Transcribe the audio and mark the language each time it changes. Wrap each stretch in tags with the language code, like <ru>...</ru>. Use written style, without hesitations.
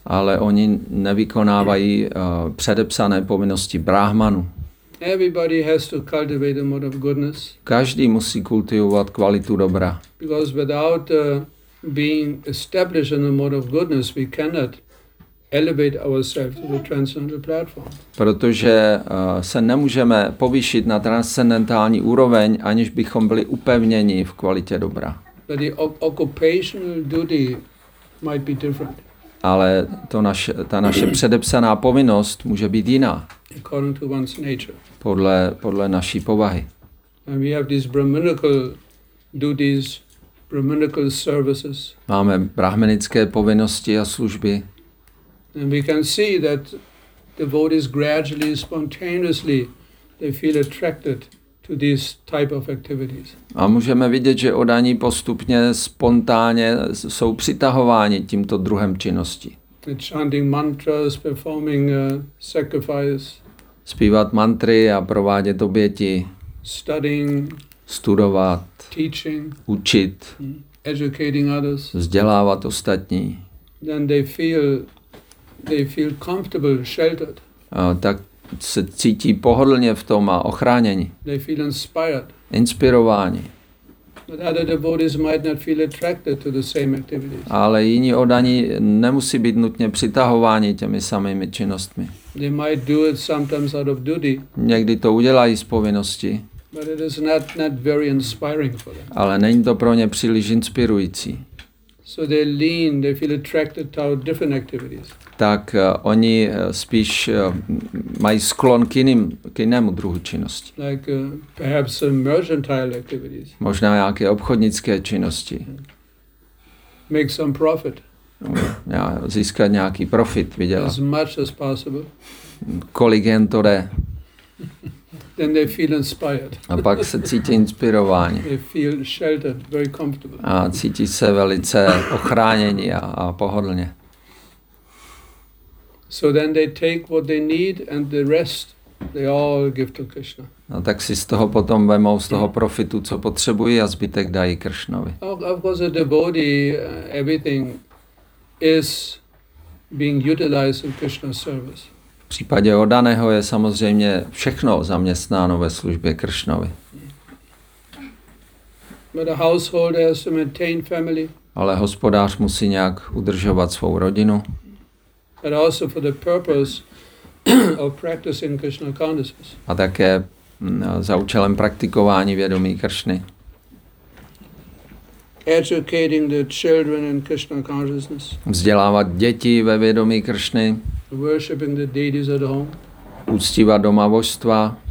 <cs>Ale oni nevykonávají předepsané povinnosti brahmanů.</cs> <en>Everybody has to cultivate the mode of goodness.</en> <cs>Každý musí kultivovat kvalitu dobra.</cs> <en>Because without being established in the mode of goodness, we cannot elevate ourselves to the transcendental platform.</en> <cs>Protože se nemůžeme povýšit na transcendentální úroveň, aniž bychom byli upevněni v kvalitě dobra.</cs> <en>But the occupational duty might be different.</en> <cs>Ale to naše, ta naše předepsaná povinnost může být jiná.</cs> <en>According to one's nature.</en> <cs>Podle naší povahy.</cs> <en>And we have these brahminical duties, brahminical services.</en> <cs>Máme brahminické povinnosti a služby.</cs> <en>And we can see that devotees gradually, spontaneously, they feel attracted to these type of activities.</en> <cs>A můžeme vidět, že oddaní postupně, spontánně jsou přitahováni tímto druhem činnosti.</cs> <en>Chanting mantras, performing sacrifice.</en> <cs>Zpívat mantry a provádět oběti.</cs> <en>Studying.</en> <cs>Studovat.</cs> <en>Teaching.</en> <cs>Učit.</cs> <en>Educating others.</en> <cs>Vzdělávat ostatní.</cs> <en>Then they feel comfortable, sheltered.</en> <cs>Tak se cítí pohodlně v tom a ochránění.</cs> <en>They feel inspired.</en> <cs>Inspirováni.</cs> <en>But other devotees might not feel attracted to the same activities.</en> <cs>Ale jiní oddaní nemusí být nutně přitahováni těmi samými činnostmi.</cs> <en>They might do it sometimes out of duty.</en> <cs>Někdy to udělají z povinnosti.</cs> <en>But it is not very inspiring for them.</en> <cs>Ale není to pro ně příliš inspirující.</cs> <en>So they lean, they feel attracted to different activities.</en> <cs>Tak oni spíš mají sklon k jinému druhu činnosti.</cs> <en>Like, perhaps mercantile activities.</en> <cs>Možná nějaké obchodnické činnosti.</cs> <en>Make some profit.</en> <cs>Získat nějaký profit, vydělat.</cs> <en>As much as possible.</en> <cs>Kolik jen to jde.</cs> <en>Then they feel inspired.</en> <cs>A pak se cítí inspirováni.</cs> <en>They feel sheltered, very comfortable.</en> <cs>A cítí se velice ochránění a pohodlně.</cs> <en>So then they take what they need and the rest They all give to Krishna.</en> <cs>No tak si z toho potom vemou z toho profitu, co potřebují, a zbytek dají Kršnovi.</cs> <en>Of course, the devotee, everything is being utilized in Krishna's service.</en> <cs>V případě oddaného je samozřejmě všechno zaměstnáno ve službě Kršnovi.</cs> <en>But a householder has to maintain family.</en> <cs>Ale hospodář musí nějak udržovat svou rodinu.</cs> <en>But also for the purpose of practicing Krishna consciousness.</en> <cs>A také za účelem praktikování vědomí Kršny.</cs> <en>Educating the children in Krishna consciousness.</en> <cs>Vzdělávat děti ve vědomí Kršny.</cs> <en>Worshiping the deities at home.</en> <cs>Uctívat doma božstva.</cs>